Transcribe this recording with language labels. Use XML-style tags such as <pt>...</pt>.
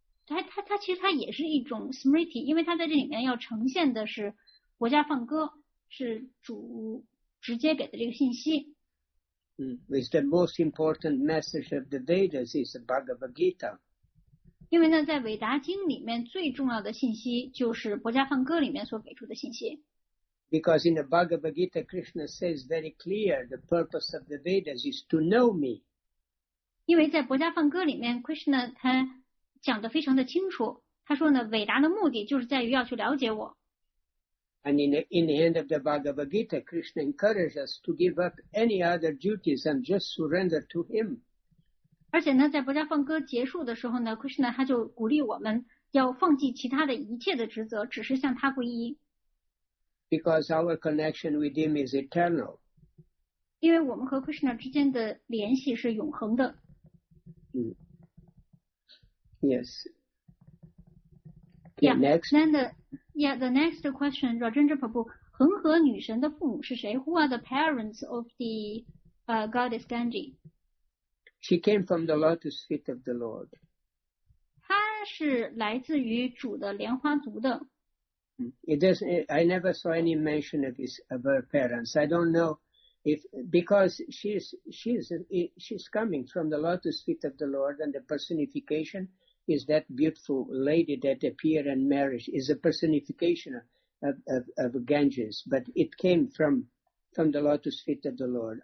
<zh>它其实它也是一种 smriti， 因为它在这里面要呈现的是国家颂歌，是主直接给的这个信息。</zh> <en>It's the most important message of the Vedas is the Bhagavad Gita。</en> <zh>因为呢，在韦达经里面最重要的信息就是国家颂歌里面所给出的信息。</zh> <en>Because in the Bhagavad Gita, Krishna says very clear the purpose of the Vedas is to know me。</en> <zh>因为在国家颂歌里面 ，Krishna 他讲得非常的清楚，他说呢，伟达的目的就是在于要去了解我。</zh> <en>And in the end of the Bhagavad Gita, Krishna encourages us to give up any other duties and just surrender to Him.</en> <zh>而且呢，在《薄伽梵歌》结束的时候呢 ，Krishna 他就鼓励我们要放弃其他的一切的职责，只是向他皈依。</zh> <en>Because our connection with Him is eternal.</en> <zh>因为我们和 Krishna 之间的联系是永恒的。</zh> <en>Yes. Okay, next. Then the next question, Rajendra Prabhu,</en> <zh>恒河女神的父母是谁？</zh> <en>Who are the parents of the goddess Ganga? She came from the lotus feet of the Lord.</en> <zh>她是来自于主的莲花足的。</zh> <en>I never saw any mention of her parents. I don't know if because she's coming from the lotus feet of the Lord and the personification. Is that beautiful lady that appeared in marriage is a personification of Ganges, but it came from the lotus feet of the Lord.</en>